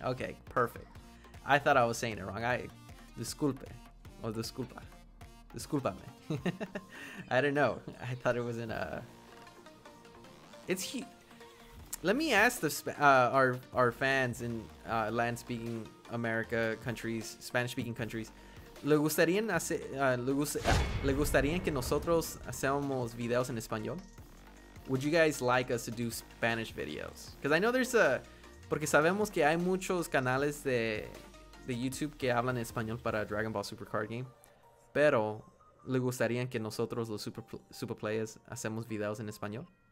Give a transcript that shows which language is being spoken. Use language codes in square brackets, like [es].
[en] Okay, perfect. I thought I was saying it wrong. Disculpe. Or disculpa. Disculpame. I don't know. I thought it was in a... It's... Let me ask the our fans in Latin-speaking America countries, Spanish-speaking countries. [es] Le gustaría que nosotros hacemos videos en español? [en] Would you guys like us to do Spanish videos? Because I know there's a... [es] Porque sabemos que hay muchos canales de YouTube que hablan español para Dragon Ball Super Card Game. Pero, ¿le gustaría que nosotros, los Super Players, hacemos videos en español?